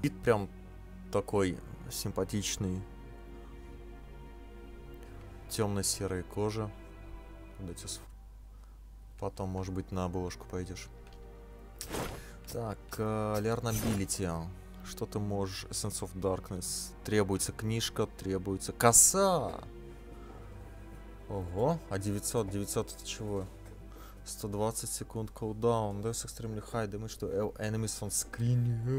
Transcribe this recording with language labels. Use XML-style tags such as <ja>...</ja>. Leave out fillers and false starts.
<ru>Вид прям такой симпатичный. Темно-серая кожа. Потом, может быть, на обложку пойдешь. Так, Learn Ability. Что ты можешь? Essence of Darkness. Требуется книжка, требуется коса. Ого, а 900? 900 это чего? 120 секунд cooldown.</ru> <en>Does extremely high damage to all enemies on screen.</en>